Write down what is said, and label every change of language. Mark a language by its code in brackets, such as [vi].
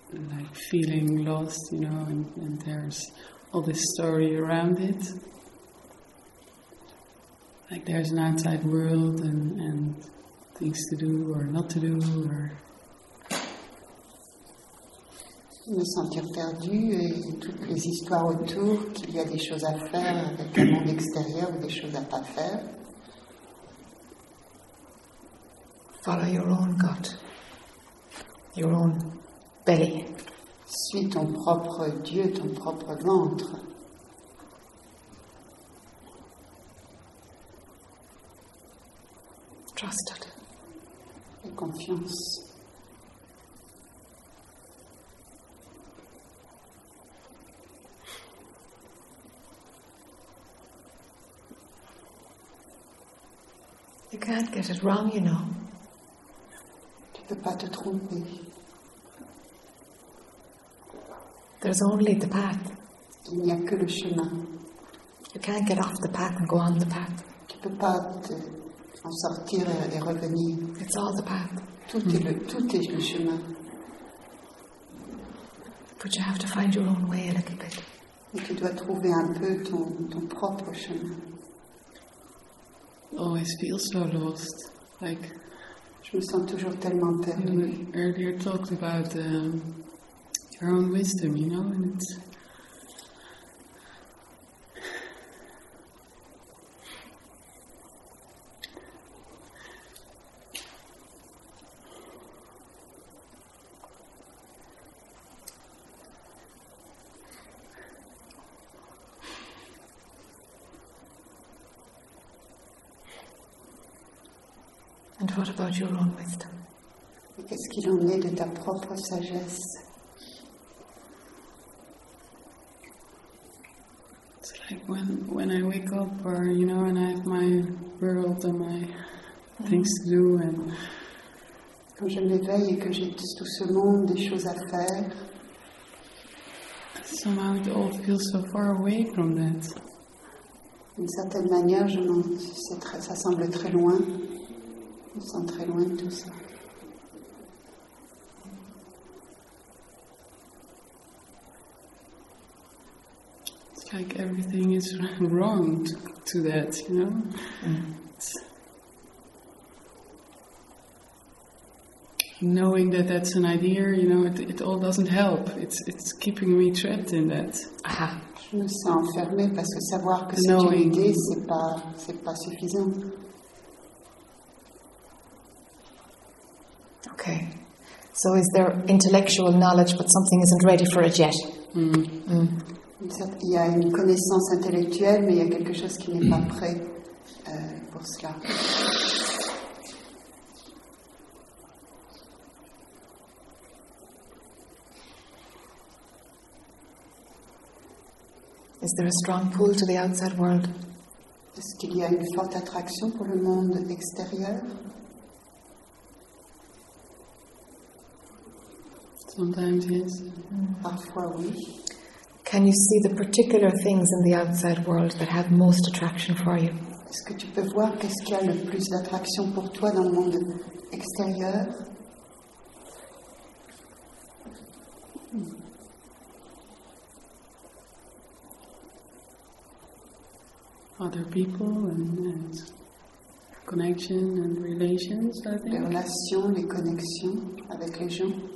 [en] Like feeling lost, you know, and there's all this story around it. Like there's an outside world and things to do or not to do, or [fr] me sentir perdu et toutes les histoires autour, qu'il y a des choses à faire avec le monde extérieur ou des choses à pas faire. [en] Follow your own gut, your own belly. [fr] Suis ton propre Dieu, ton propre ventre. [en] Trust it. [fr] Et confiance. [en] You can't get it wrong, you know. [fr] Tu peux pas te tromper. [en] There's only the path. [fr] Il n'y a que le chemin. [en] You can't get off the path and go on the path. [fr] Tu peux pas te en sortir et revenir. [en] It's all the path. [fr] Tout est le chemin. [en] But you have to find your own way a little bit. [fr] Et tu dois trouver un peu ton propre chemin. [en] Always feel so lost, like. [fr] Je me sens toujours tellement perdu. [en] We earlier talked about your own wisdom, you know, and it's. What about your own wisdom? [fr] Qu'est-ce qu'il en est de ta propre sagesse? [en] It's like when I wake up, or you know, and I have my world and my things to do, and [fr] quand je m'éveille et que j'ai tout ce monde, des choses à faire. [en] Somehow it all feels so far away from that. [fr] D'une certaine manière, je m'en c'est très, ça semble très loin. On sent très loin de tout ça. [en] It's like everything is wrong to that, you know? Knowing that that's an idea, you know, it all doesn't help. It's keeping me trapped in that. Aha. [fr] Je me sens enfermée parce que savoir que c'est une idée, c'est pas suffisant. [en] Okay, so is there intellectual knowledge, but something isn't ready for it yet? [fr] Il y a une connaissance intellectuelle, mais il y a quelque chose qui n'est pas prêt pour cela. [en] Is there a strong pull to the outside world? [fr] Est-ce qu'il y a une forte attraction pour le monde extérieur? [en] Sometimes yes. [fr] Parfois oui. [en] Can you see the particular things in the outside world that have most attraction for you? [fr] Est-ce que tu peux voir qu'est-ce qui a le plus d'attraction pour toi dans le monde extérieur? [en] Other people and connection and relations, I think. [fr] Les relations, les connexions avec les gens.